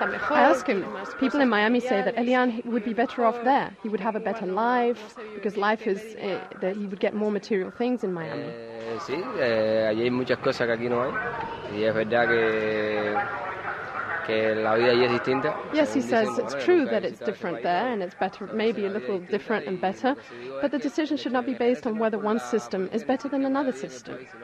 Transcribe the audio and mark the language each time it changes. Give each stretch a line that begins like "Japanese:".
English: I ask him, people in Miami say that Elian would be better off there. He would have a better life, because life is, that he would get more material things in Miami.
Spanish: Sí, allí hay muchas cosas que aquí no hay. Y es verdad que...
English: Yes, he says it's true that it's different there and it's better, maybe a little different and better, but the decision should not be based on whether one system is better than another system.